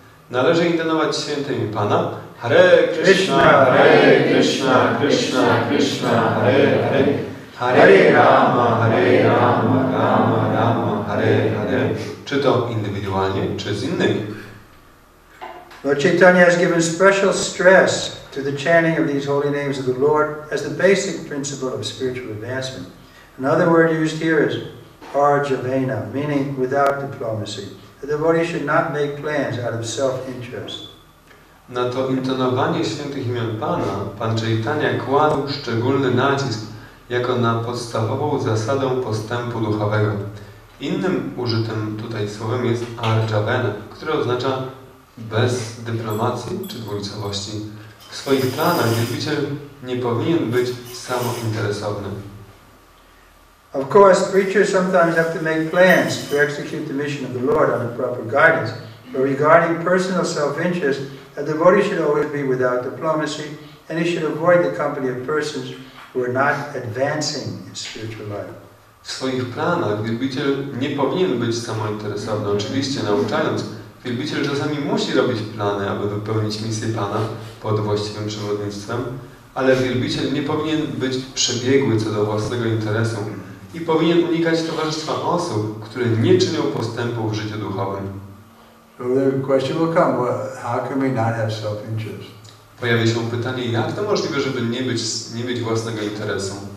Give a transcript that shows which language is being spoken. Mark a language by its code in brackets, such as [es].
[pl] Należy intonować świętymi Pana Hare Krishna, Hare Krishna, Krishna Krishna, Hare Hare, Hare Rama, Hare Rama, Rama Rama, Hare Hare. Czy to indywidualnie, czy z innymi? [en] Lord Chaitanya has given special stress to the chanting of these holy names of the Lord as the basic principle of spiritual advancement. Another word used here is arjavena, meaning without diplomacy. The devotee should not make plans out of self-interest. [pl] Na to intonowanie świętych imion Pana, Pan Chaitanya kładł szczególny nacisk jako na podstawową zasadę postępu duchowego. Innym użytym tutaj słowem jest arjavena, które oznacza bez dyplomacji czy dwulicowości. W swoich planach wielbiciel nie powinien być samointeresowny. [en] Of course, preachers sometimes have to make plans to execute the mission of the Lord under proper guidance. But regarding personal self-interest, a devotee should always be without diplomacy and he should avoid the company of persons we're not advancing in spiritual life. [pl] W swoich planach wielbiciel nie powinien być samointeresowny. Oczywiście nauczając, wielbiciel czasami musi robić plany, aby wypełnić misję Pana pod właściwym przewodnictwem, ale wielbiciel nie powinien być przebiegły co do własnego interesu i powinien unikać towarzystwa osób, które nie czynią postępu w życiu duchowym. [en] So the question will come, well, how can we not have self-interest? [pl] pojawia się pytanie, jak to możliwe, żeby nie mieć własnego interesu?